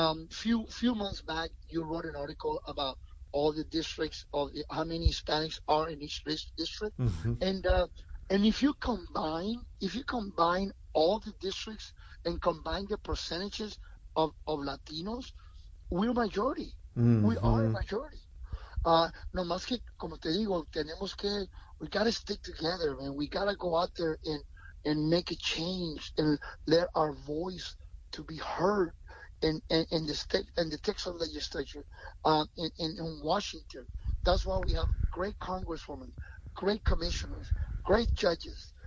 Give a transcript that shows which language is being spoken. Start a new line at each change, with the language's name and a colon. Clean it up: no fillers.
English: Few months back, you wrote an article about all the districts, how many Hispanics are in each district. Mm-hmm. And if you combine all the districts and combine the percentages of Latinos, we're a majority. Mm-hmm. We are a majority.
Spanish: No más que, como te digo, tenemos que,
English: we got to stick together, man. We got to go out there and make a change and let our voice to be heard in the state and the Texas legislature in Washington. That's why we have great congresswomen, great commissioners, great judges.